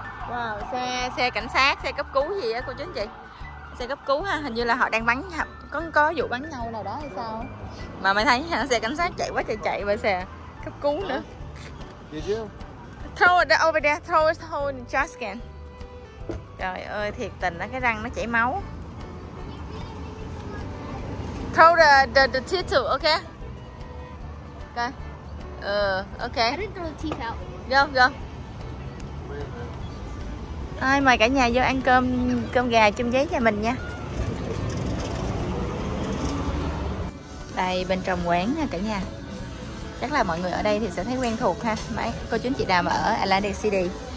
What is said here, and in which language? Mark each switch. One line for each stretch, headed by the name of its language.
Vietnamese: Wow, xe cảnh sát, xe cấp cứu gì á cô chú anh chị. Xe cấp cứu ha, hình như là họ đang bắn có vụ bắn nhau nào đó hay sao. Mà mày thấy hả, xe cảnh sát chạy quá trời chạy và xe cấp cứu nữa.
English: Did you? Throw it over there, throw it hole in the trash can.
Vietnamese: Trời ơi, thiệt tình đó, cái răng nó chảy máu.
English: Throw the teeth too, okay? Okay. Okay. I didn't throw the teeth out. Go.
Vietnamese: Thôi, mời cả nhà vô ăn cơm gà chum giấy nhà mình nha. Đây bên trong quán nha cả nhà. Chắc là mọi người ở đây thì sẽ thấy quen thuộc ha. Mấy cô chú chị nào mà ở Atlantic City.